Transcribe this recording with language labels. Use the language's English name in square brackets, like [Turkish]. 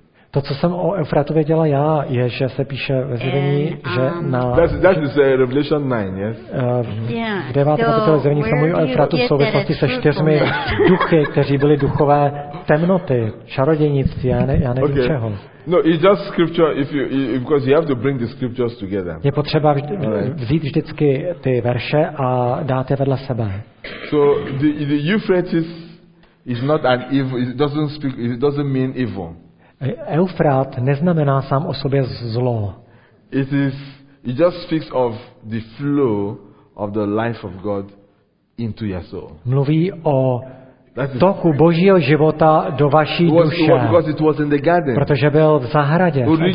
[Czech] To, co jsem o Eufratu věděla já, je, že se píše ve zjevení, že na [English] Revelation 9, yes. [Czech] V 9. kapitole zjevení se mluví o Eufratu v souvislosti se čtyřmi duchy, kteří byli duchové temnoty, čarodějnictví, já nevím [English] okay. [Czech] Čeho. [English] No, it's just scripture because you have to bring the scriptures together. [Czech] Je potřeba vzít vždycky ty verše a dát je vedle sebe. [English] So the Euphrates is not an evil. It doesn't mean evil. [Czech] Eufrat neznamená sám o sobě zlo. [English] It just speaks of the flow of the life of God into your soul. [Czech] Mluví o toku Božího života do vaší duše. Protože byl v zahradě.